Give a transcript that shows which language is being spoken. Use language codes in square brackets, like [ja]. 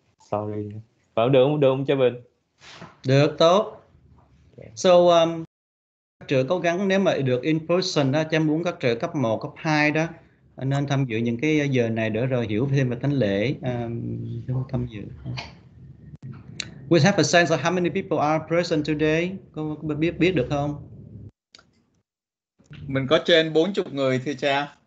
[en] Sorry. [vi] Vào được không cha Bình? Được, tốt. Các trưởng cố gắng nếu mà được in person đó, cha muốn các trưởng cấp 1, cấp 2 đó nên tham dự những cái giờ này để rồi hiểu thêm về thánh lễ, tham dự. [en] We have a sense of how many people are present today. [vi] Có biết biết được không? Mình có trên 40 người thưa cha.